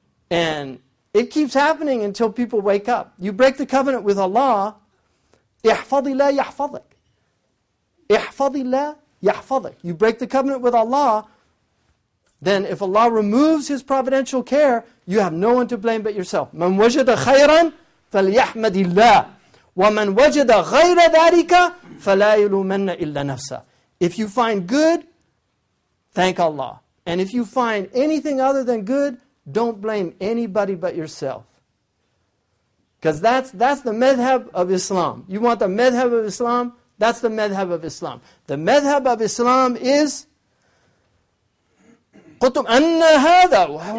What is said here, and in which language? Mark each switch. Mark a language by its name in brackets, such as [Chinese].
[English] And it keeps happening until people wake up. You break the covenant with Allah, [Arabic] احفظي الله يحفظك. احفظي الله يحفظك. [English] You break the covenant with Allah, then if Allah removes His providential care, you have no one to blame but yourself. [Arabic] من وجد خيرا فليحمد الله ومن وجد غير ذلك فلا يلومن إلا نفسه. [English] If you find good, thank Allah. And if you find anything other than good, don't blame anybody but yourself. Because that's the madhab of Islam. You want the madhab of Islam? That's the madhab of Islam. The madhab of Islam is, [Arabic] قُتُمْ أَنَّ هَذَا.